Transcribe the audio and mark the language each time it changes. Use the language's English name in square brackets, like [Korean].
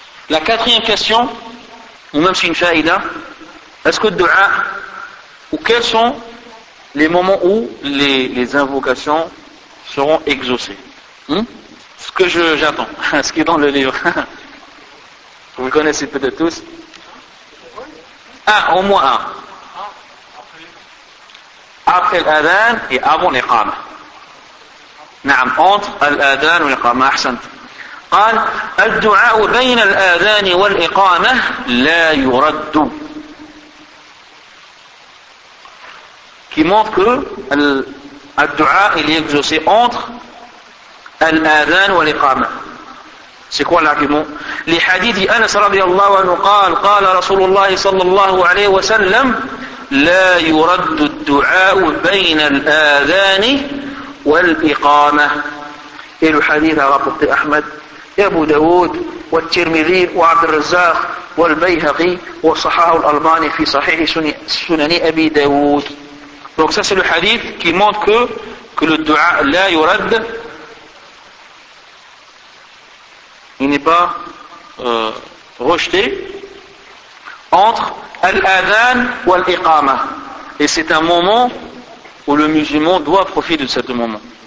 [French] La quatrième question, ou même si une faïda, est-ce que du'a, ou quels sont les moments où les invocations seront exaucées? Ce que j'attends, ce qui est dans le livre. Vous connaissez peut-être tous. Un, au moins un. Après l'adhan et avant l'iqama. [Arabic] Naam, [French] entre l'adhan et l'iqama. [Arabic] Ahsant. قال, الدعاء بين الأذان والإقامة لا يرد. [French] Qui montre que الدعاء il est exaucé entre l'adhan et l'iqama. C'est quoi l'argument? Les hadiths d'Anas [Arabic] radiallahu anhu قال رسول الله صلى الله عليه وسلم لا يرد الدعاء بين الآذان والإقامة. [French] Et le hadith a rapporté [Arabic] Ahmed, Abu Dawood, والترمذي, وعبد الرزاق, والبيهقي, وصححه الألباني في صحيح سنن أبي داود. [French] Donc ça c'est le hadith qui montre que le دعاء [Arabic] لا يرد, [French] il n'est pas rejeté entre Al-Adhan ou Al-Iqama. Et c'est un moment où le musulman doit profiter de ce moment.